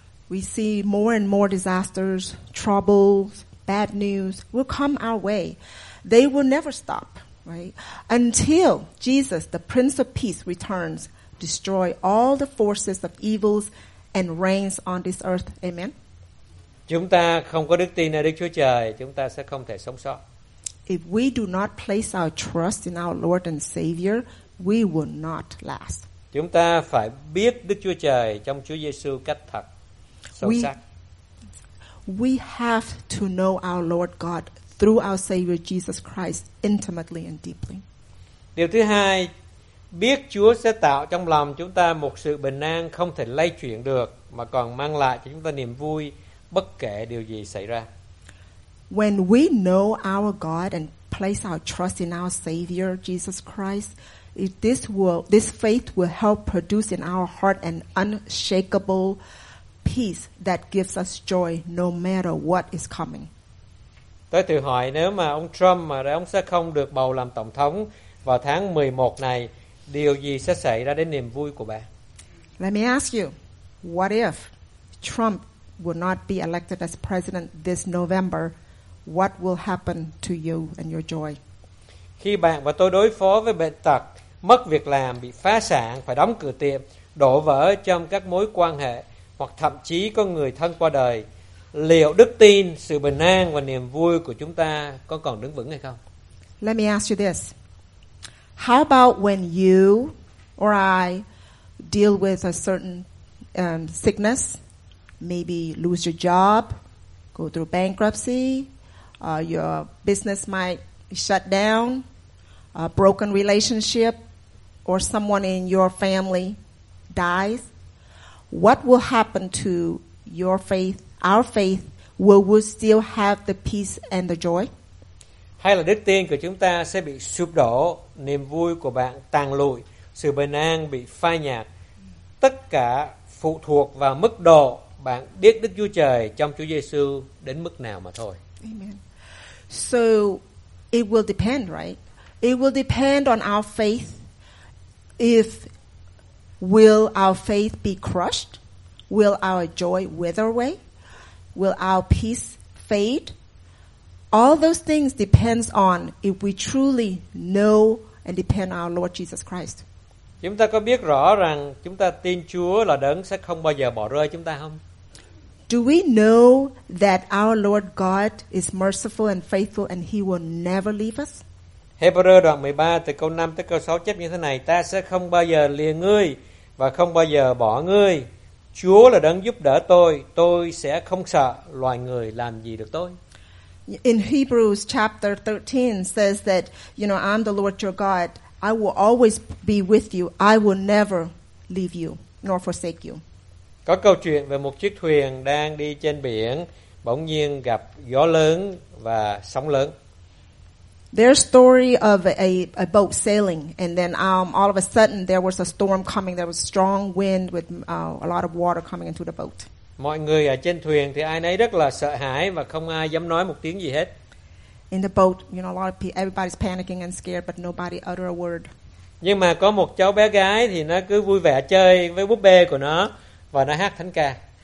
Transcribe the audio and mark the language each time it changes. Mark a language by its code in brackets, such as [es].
[en] We see more and more disasters, troubles, bad news will come our way. They will never stop, right? Until Jesus, the Prince of Peace, returns, destroy all the forces of evils and reigns on this earth. Amen. [vi] Chúng ta không có đức tin ở Đức Chúa Trời, chúng ta sẽ không thể sống sót. [en] If we do not place our trust in our Lord and Savior, we will not last. [vi] Chúng ta phải biết Đức Chúa Trời trong Chúa Giêsu cách thật sâu sắc. [en] We have to know our Lord God through our Savior Jesus Christ intimately and deeply. [vi] Điều thứ hai, biết Chúa sẽ tạo trong lòng chúng ta một sự bình an không thể lay chuyển được, mà còn mang lại cho chúng ta niềm vui bất kể điều gì xảy ra. [en] When we know our God and place our trust in our Savior Jesus Christ, this faith will help produce in our heart an unshakable peace that gives us joy no matter what is coming. [vi] Tôi tự hỏi nếu mà ông Trump mà ông sẽ không được bầu làm tổng thống vào tháng 11 này, điều gì sẽ xảy ra đến niềm vui của bạn? [en] Let me ask you, what if Trump will not be elected as president this November? What will happen to you and your joy? [vi] Khi bạn và tôi đối phó với bệnh tật, mất việc làm, bị phá sản, phải đóng cửa tiệm, đổ vỡ trong các mối quan hệ, hoặc thậm chí có người thân qua đời, liệu đức tin, sự bình an và niềm vui của chúng ta có còn đứng vững hay không? [en] Let me ask you this. How about when you or I deal with a certain sickness, maybe lose your job, go through bankruptcy, your business might shut down, a broken relationship, or someone in your family dies? What will happen to your faith, our faith? Will we still have the peace and the joy? [vi] Hay là đức tin của chúng ta sẽ bị sụp đổ, niềm vui của bạn tàn lụi, sự bình an bị phai nhạt. Tất cả phụ thuộc vào mức độ bạn biết Đức Chúa Trời trong Chúa Giêsu đến mức nào mà thôi. [en] Amen. So it will depend, right? It will depend on our faith. If will our faith be crushed? Will our joy wither away? Will our peace fade? All those things depends on if we truly know and depend on our Lord Jesus Christ. [vi] Chúng ta có biết rõ rằng chúng ta tin Chúa là Đấng sẽ không bao giờ bỏ rơi chúng ta không? [en] Do we know that our Lord God is merciful and faithful and he will never leave us? [vi] Hebrew đoạn 13 từ câu 5 tới câu 6 chép như thế này: Ta sẽ không bao giờ lìa ngươi và không bao giờ bỏ ngươi. Chúa là đấng giúp đỡ tôi sẽ không sợ loài người làm gì được tôi. [en] In Hebrews chapter 13 says that, you know, I'm the Lord your God. I will always be with you. I will never leave you nor forsake you. [vi] Có câu chuyện về một chiếc thuyền đang đi trên biển, bỗng nhiên gặp gió lớn và sóng lớn. [en] There's a story of a boat sailing, and then all of a sudden there was a storm coming. There was strong wind with a lot of water coming into the boat. [vi] Mọi người ở trên thuyền thì ai nấy rất là sợ hãi và không ai dám nói một tiếng gì hết. [en] In the boat, you know, a lot of people, everybody's panicking and scared, but nobody utter a word. [vi] Nhưng mà có một cháu bé gái thì nó cứ vui vẻ chơi với búp bê của nó và nó hát thánh ca.